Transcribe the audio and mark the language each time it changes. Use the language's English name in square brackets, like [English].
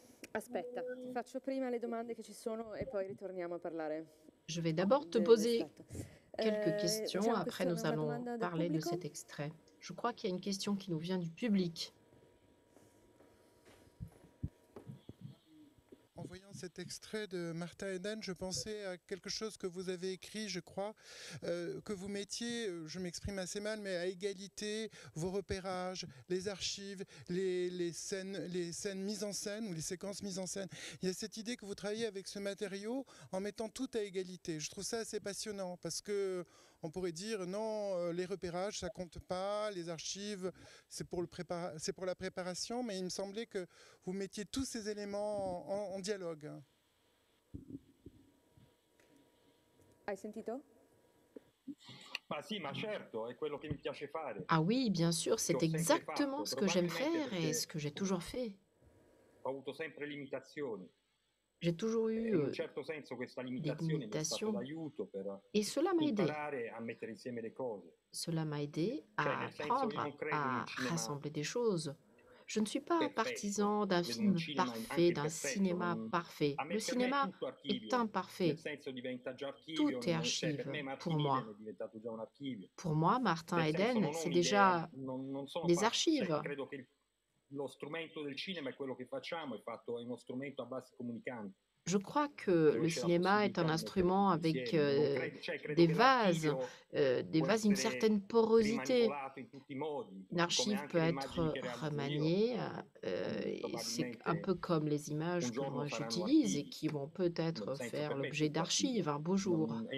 [Italian] Aspetta, ti faccio prima le domande che ci sono e poi ritorniamo a parlare. [French] Je vais d'abord te poser quelques questions, [Italian] diciamo [French] après nous allons parler de cet extrait. Je crois qu'il y a une question qui nous vient du public. En voyant cet extrait de Martha Eden, je pensais à quelque chose que vous avez écrit, je crois, que vous mettiez, je m'exprime assez mal, mais à égalité, vos repérages, les archives, les scènes mises en scène ou les séquences mises en scène. Il y a cette idée que vous travaillez avec ce matériau en mettant tout à égalité. Je trouve ça assez passionnant parce que on pourrait dire non, les repérages, ça compte pas, les archives, c'est pour la préparation, mais il me semblait que vous mettiez tous ces éléments en dialogue. [Italian] Hai sentito? Ma sì, ma certo, è quello che mi piace fare. [French] Ah oui, bien sûr, c'est exactement ce que j'aime faire et ce que j'ai toujours fait. [Italian] Ho avuto sempre limitazioni. [French] J'ai toujours eu des limitations. Et cela m'a aidé. À apprendre à rassembler des choses. Je ne suis pas partisan d'un film parfait, d'un cinéma parfait. Le cinéma est imparfait. Tout est archive pour moi. Pour moi, Martin Eden, c'est déjà des archives. [Italian] Lo strumento del cinema è quello che facciamo, è fatto è uno strumento a base comunicante. [French] Je crois que le cinéma est un instrument avec des vases, une certaine porosité. Une archive peut être remaniée, et c'est un peu comme les images que j'utilise et qui vont peut-être faire l'objet d'archives un beau jour.